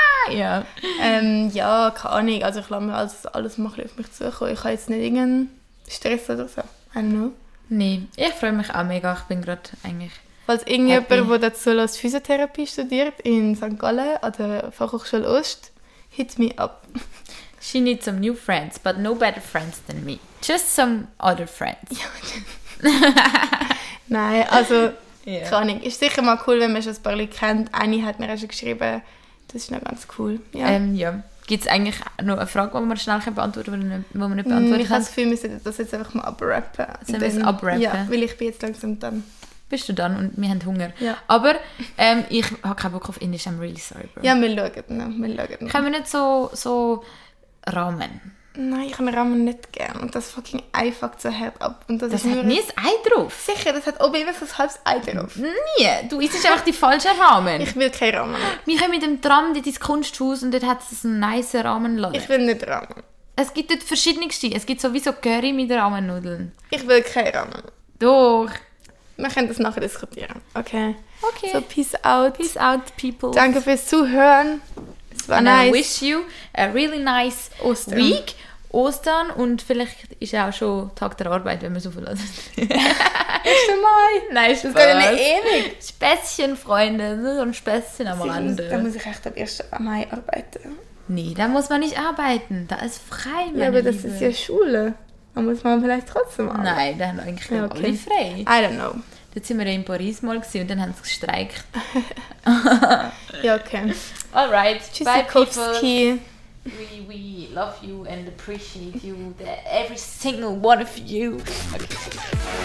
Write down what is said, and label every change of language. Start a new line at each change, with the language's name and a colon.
German: Ja. Ja, keine Ahnung. Also ich lasse mir alles mal auf mich zukommen. Ich habe jetzt nicht irgendeinen Stress oder so.
English: I don't know.
German: Nein, ich freue mich auch mega. Ich bin gerade eigentlich Falls irgendjemand, der dazu lässt, Physiotherapie studiert in St. Gallen an der Fachhochschule Ost, hit me up.
English: She needs some new friends, but no better friends than me. Just some other friends.
German: Nein, also, yeah. Keine Ahnung. Ist sicher mal cool, wenn man schon ein paar Leute kennt. Eine hat mir auch schon geschrieben. Das ist noch ganz cool. Ja. Ja. Gibt es eigentlich noch eine Frage, die wir schnell beantworten können, die wir nicht beantworten können? Ich habe das Gefühl, wir sollten das jetzt einfach mal abrappen. Sollen wir es abrappen? Ja, weil ich bin jetzt langsam dann. Bist du dann und wir haben Hunger. Ja. Aber ich habe keinen Bock auf Indisch,
English: I'm really sorry.
German: Bro. Ja, wir schauen noch. Wir schauen noch. Können wir nicht so Ramen? Nein, ich kann Ramen nicht gerne. Und das fucking Ei fuckt so hart ab. Und das hat nie ein Ei drauf. Sicher, das hat oben immer so ein halbes Ei drauf. Nie. Du isst einfach die falschen Ramen. Ich will kein Ramen. Wir kommen mit dem Tram in dein Kunsthaus und dort hat es einen nice Ramenladen. Ich will nicht Ramen. Es gibt dort verschiedenste. Es gibt sowieso Curry mit Ramennudeln. Ich will kein Ramen. Doch. Wir können das nachher diskutieren. Okay. Okay.
English: So, peace out. Peace out, people.
German: Danke fürs Zuhören. Es war
English: and nice. I wish you a really nice
German: Ostern.
English: Week. Ostern.
German: Und vielleicht ist es auch schon Tag der Arbeit, wenn wir so viel lassen. Ist der Mai. Nein, Spaß. Das geht nicht ewig. Späßchen, Freunde. So ein Späßchen am Rande. Da muss ich echt am 1. Mai arbeiten. Nee, da muss man nicht arbeiten. Da ist frei, meine Ja, aber Liebe. Das ist ja Schule. Da muss man vielleicht trotzdem arbeiten. Nein, da haben eigentlich ja, okay. alle frei.
English: I don't know.
German: Da sind wir ja in Paris mal gewesen und dann haben sie gestreikt. Ja, okay.
English: Alright,
German: tschüss, bye, Kowski.
English: We love you and appreciate you, every single one of you. Okay.